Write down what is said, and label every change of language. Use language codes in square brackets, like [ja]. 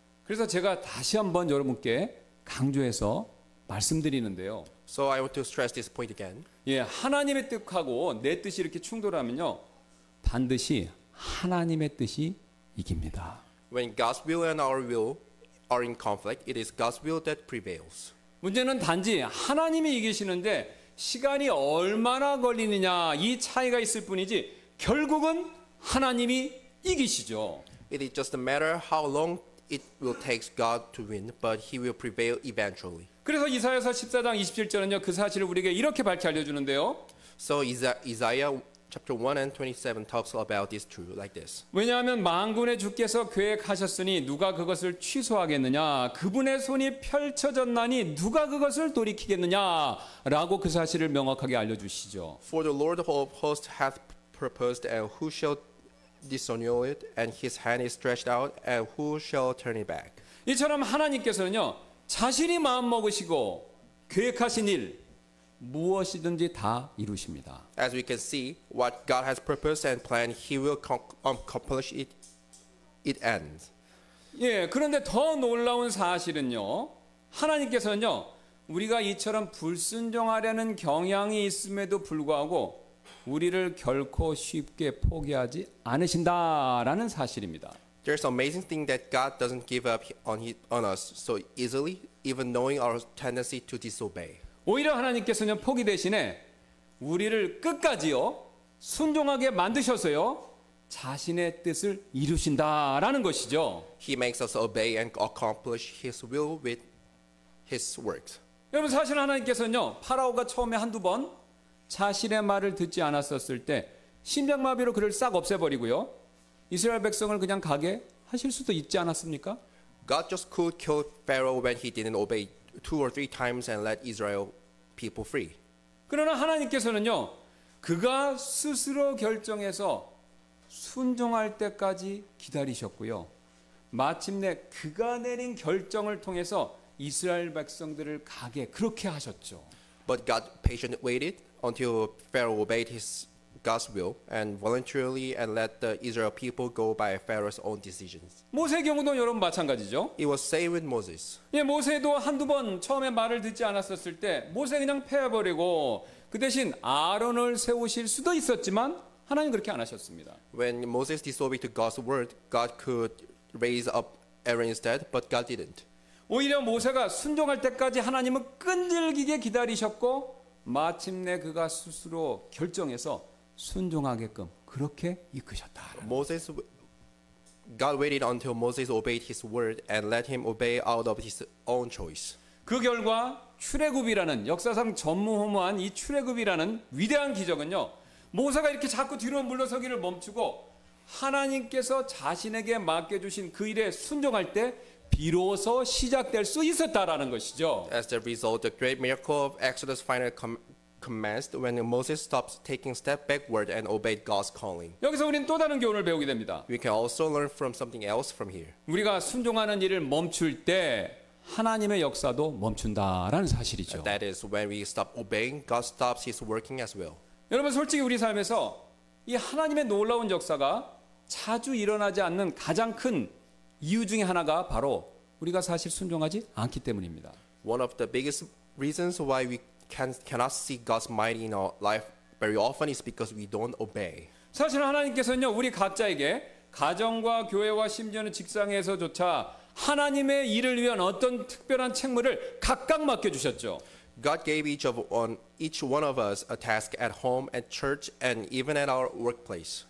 [ko] 그래서 제가 다시 한번 여러분께 강조해서 말씀드리는데요. [en] So I want to stress this point again. [ko] 예, 하나님의 뜻하고 내 뜻이 이렇게 충돌하면요. 반드시 하나님의 뜻이 이깁니다. [en] When God's will and our will are in conflict, it is God's will that prevails. [ko] 문제는 단지 하나님이 이기시는데 시간이 얼마나 걸리느냐 이 차이가 있을 뿐이지 결국은 하나님이 이기시죠. [en] It is just a matter how long it will take God to win, but he will prevail eventually. [ko] 그래서 이사야서 14장 27절은요, 그 사실을 우리에게 이렇게 밝히 알려주는데요. [en] So Isaiah chapter 1 and 27 talks about this truth like this. [ko] 왜냐하면 만군의 주께서 계획하셨으니 누가 그것을 취소하겠느냐? 그분의 손이 펼쳐졌나니 누가 그것을 돌이키겠느냐? 라고 그 사실을 명확하게 알려 주시죠. [en] For the Lord of hosts hath purposed, and who shall disannul it? And his hand is stretched out, and who shall turn it back? [ko] 이처럼 하나님께서는요, 자신이 마음 먹으시고 계획하신 일 무엇이든지 다 이루십니다. [en] As we can see, what God has purposed and planned, He will accomplish it. It ends. [ko] 예, 그런데 더 놀라운 사실은요, 하나님께서는요, 우리가 이처럼 불순종하려는 경향이 있음에도 불구하고 우리를 결코 쉽게 포기하지 않으신다라는 사실입니다. [en] There's an amazing thing that God doesn't give up on us so easily, even knowing our tendency to disobey. [ko] 오히려 하나님께서는 포기 대신에 우리를 끝까지요 순종하게 만드셔서요 자신의 뜻을 이루신다라는 것이죠. [en] He makes us obey and accomplish His will with His works. [ko] 여러분 사실 하나님께서는요 파라오가 처음에 한두 번 자신의 말을 듣지 않았었을 때 심장마비로 그를 싹 없애버리고요 이스라엘 백성을 그냥 가게 하실 수도 있지 않았습니까? [en] God just could kill Pharaoh when he didn't obey two or three times and let Israel people free. [ko] 그러나 하나님께서는요 그가 스스로 결정해서 순종할 때까지 기다리셨고요 마침내 그가 내린 결정을 통해서 이스라엘 백성들을 가게 그렇게 하셨죠. [en] But God patiently waited until Pharaoh obeyed his God's will and voluntarily and let the Israel people go by Pharaoh's own decisions. [ko] 모세의 경우도 여러분 마찬가지죠. [en] It was same with Moses. [ko] 예, 모세도 한두 번 처음에 말을 듣지 않았었을 때 모세 그냥 패해버리고 그 대신 아론을 세우실 수도 있었지만 하나님 그렇게 안 하셨습니다. [en] When Moses disobeyed God's word, God could raise up Aaron instead, but God didn't. [ko] 오히려 모세가 순종할 때까지 하나님은 끈질기게 기다리셨고 마침내 그가 스스로 결정해서 순종하게끔 그렇게 이끄셨다. [en] Moses, God waited until Moses obeyed His word and let him obey out of his own choice. [ko] 그 결과 출애굽이라는 역사상 전무후무한 이 출애굽이라는 위대한 기적은요 모세가 이렇게 자꾸 뒤로 물러서기를 멈추고 하나님께서 자신에게 맡겨주신 그 일에 순종할 때 비로소 시작될 수 있었다라는 것이죠. [en] As a result, the great miracle of Exodus finally commenced when Moses stops taking step backward and obeyed God's calling. [ko] 여기서 우리는 또 다른 교훈을 배우게 됩니다. [en] We can also learn from something else from here. [ko] 우리가 순종하는 일을 멈출 때 하나님의 역사도 멈춘다라는 사실이죠. [en] That is when we stop obeying, God stops His working as well. [ko] 여러분 솔직히 우리 삶에서 이 하나님의 놀라운 역사가 자주 일어나지 않는 가장 큰 이유 중에 하나가 바로 우리가 사실 순종하지 않기 때문입니다. [en] One of the biggest reasons why we cannot see God's might in our life very often is because we don't obey. [ko] 사실 하나님께서는요 우리 각자에게 가정과 교회와 심지어는 직장에서조차 하나님의 일을 위한 어떤 특별한 책무를 각각 맡겨 주셨죠. [en] God gave each one of us a task at home, at church, and even at our workplace.